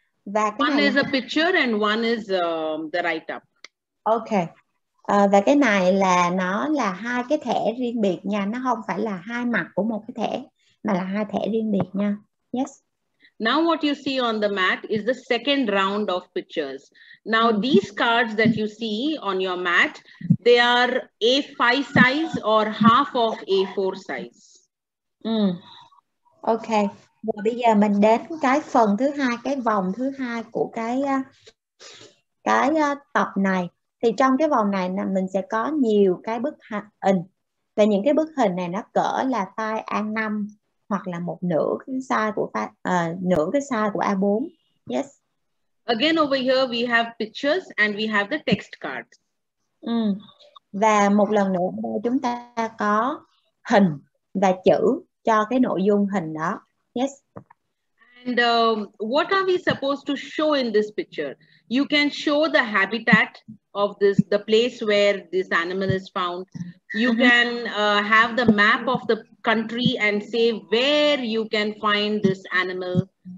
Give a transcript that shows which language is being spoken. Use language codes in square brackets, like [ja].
[vi] Và cái [en] one [vi] này [en] is a picture and one is the write-up. Okay. [vi] Và cái này là nó là hai cái thẻ riêng biệt nha. Nó không phải là hai mặt của một cái thẻ mà là hai thẻ riêng biệt nha. [en] Yes. Now what you see on the mat is the second round of pictures. Now these cards that you see on your mat, they are A5 size or half of A4 size. Okay. [vi] Và bây giờ mình đến cái phần thứ hai, cái vòng thứ hai của cái tập này. Thì trong cái vòng này mình sẽ có nhiều cái bức hình. Và những cái bức hình này nó cỡ là size A5 hoặc là một nửa cái size của A4. Yes. [en] Again over here we have pictures and we have the text cards. [vi] Và một lần nữa chúng ta có hình và chữ cho cái nội dung hình đó. [en] Yes. And what are we supposed to show in this picture? You can show the habitat of this, the place where this animal is found. You can have the map of the country and say where you can find this animal.